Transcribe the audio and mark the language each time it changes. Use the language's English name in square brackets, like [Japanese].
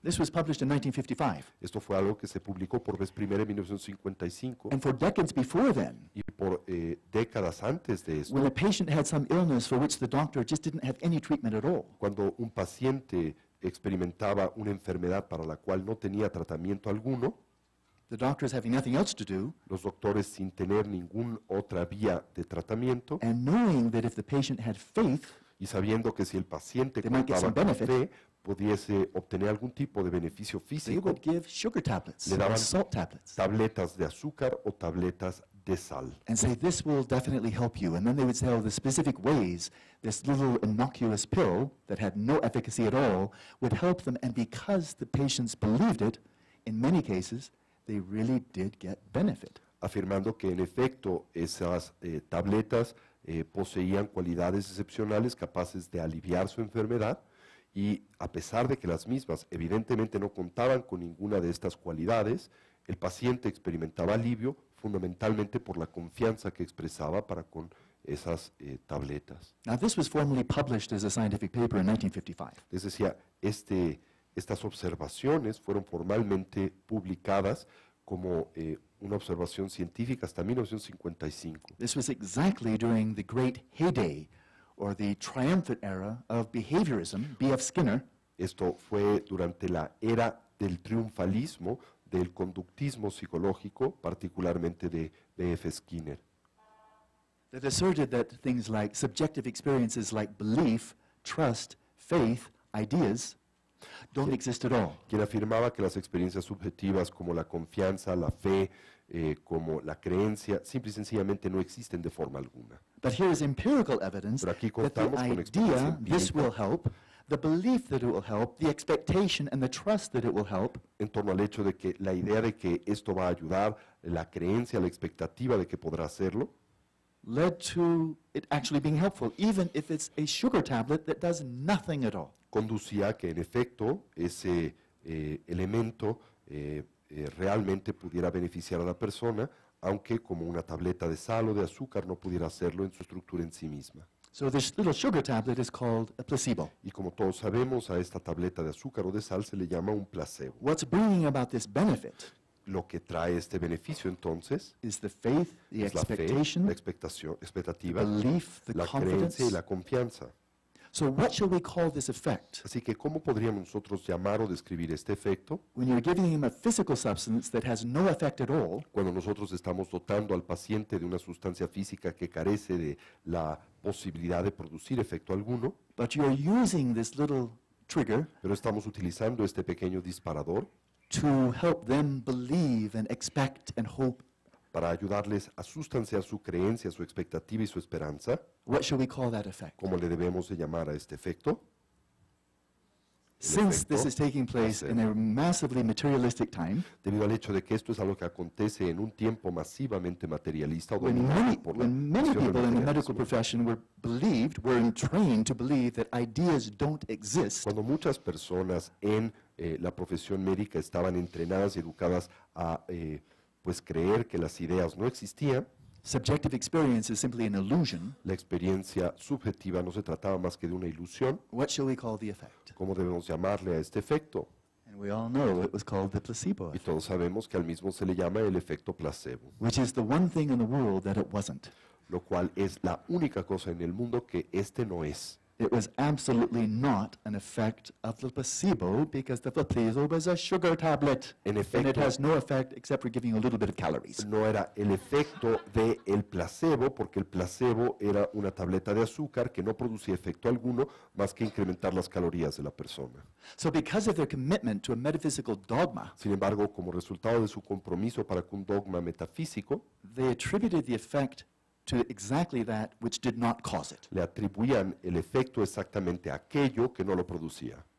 [English] This was published in 1955. [Spanish] Esto fue algo que se publicó por vez primera en 1955. [English] And for decades before then, [Spanish] y por décadas antes de esto, [English] when a patient had some illness for which the doctor just didn't have any treatment at all, [Spanish] cuando un paciente experimentaba una enfermedad para la cual no tenía tratamiento alguno, [English] the doctors having nothing else to do, [Spanish] los doctores sin tener ninguna otra vía de tratamiento, [English] and knowing that if the patient had faith, [Spanish] y sabiendo que si el paciente contaba con fe, pudiese obtener algún tipo de beneficio físico, le daban tabletas de azúcar o tabletas de sal. [English] And say, this will definitely help you. And then they would say, oh, the specific ways this little innocuous pill that had no efficacy at all would help them. And because the patients believed it, in many cases, they really did get benefit. [Spanish] Afirmando que en efecto esas tabletas poseían cualidades excepcionales capaces de aliviar su enfermedad y a pesar de que las mismas evidentemente no contaban con ninguna de estas cualidades, el paciente experimentaba alivio fundamentalmente por la confianza que expresaba para con esas tabletas. [English] Now this was formally published as a scientific paper in 1955. [Spanish] Es decir, estas observaciones fueron formalmente publicadas como una observación científica hasta 1955. [English] This was exactly during the great heyday or the triumphant era of behaviorism, B.F. Skinner. [Spanish] Esto fue durante la era del triunfalismo, del conductismo psicológico, particularmente de B.F. Skinner. [English] That asserted that things like subjective experiences like belief, trust, faith, ideas, don't exist at all. [Spanish] Quien afirmaba que las experiencias subjetivas como la confianza, la fe, como la creencia, simple y sencillamente no existen de forma alguna. [English] But here is empirical evidence. [Spanish] Pero aquí contamos [English] that the idea, [Spanish] con experiencia empírica, [English] this will help, the belief that it will help, the expectation and the trust that it will help, [Spanish] en torno al hecho de que la idea de que esto va a ayudar, la creencia, la expectativa de que podrá hacerlo, [English] led to it actually being helpful, even if it's a sugar tablet that does nothing at all. [Spanish] Conducía que en efecto ese elemento realmente pudiera beneficiar a la persona, aunque como una tableta de sal o de azúcar no pudiera hacerlo en su estructura en sí misma. [English] So this little sugar tablet is called a placebo. [Spanish] Y como todos sabemos, a esta tableta de azúcar o de sal se le llama un placebo. [English] What's bringing about this benefit? [Spanish] Lo que trae este beneficio entonces [English] is the faith, the [Spanish] es la [English] expectation, [Spanish] fe, la expectativa, [English] the belief, the [Spanish] la [English] confidence. [Spanish] Creencia y la confianza. [English] So what shall we call this effect? [Spanish] Así que ¿cómo podríamos nosotros llamar o describir este efecto? [English] When you're giving him a physical substance that has no effect at all, [Spanish] cuando nosotros estamos dotando al paciente de una sustancia física que carece de la posibilidad de producir efecto alguno, [English] but you're using this little trigger, [Spanish] pero estamos utilizando este pequeño disparador [English] to help them believe and expect and hope, [Spanish] para ayudarles a sustanciar su creencia, su expectativa y su esperanza. [English] What shall we call that effect? [Spanish] ¿Cómo le debemos de llamar a este efecto? [English] Since this is taking place in a massively materialistic time, [Spanish] debido al hecho de que esto es algo que acontece en un tiempo masivamente materialista, [English] when many people in the medical profession were entrained to believe that ideas don't exist, [Spanish] cuando muchas personas en la profesión médica estaban entrenadas y educadas a pues creer que las ideas no existían. [English] Subjective experience is simply an illusion. [Spanish] La experiencia subjetiva no se trataba más que de una ilusión. [English] What shall we call the effect? [Spanish] ¿Cómo debemos llamarle a este efecto? [English] And we all know it was called the placebo effect. [Spanish] Y todos sabemos que al mismo se le llama el efecto placebo. [English] Which is the one thing in the world that it wasn't. [Spanish] Lo cual es la única cosa en el mundo que este no es. [English] It was absolutely not an effect of the placebo because the placebo was a sugar tablet. [Spanish] En efecto, [English] and it has no effect except for giving a little bit of calories. [Spanish] No era el efecto del placebo porque el placebo era una tableta de azúcar que no producía efecto alguno más que incrementar las calorías de la persona. [English] So because of their commitment to a metaphysical dogma, [Spanish] sin embargo, como resultado de su compromiso para un dogma metafísico, [English] they attributed the effect to exactly that which did not cause it. [Spanish] Le atribuían el efecto exactamente aquello que no lo producía.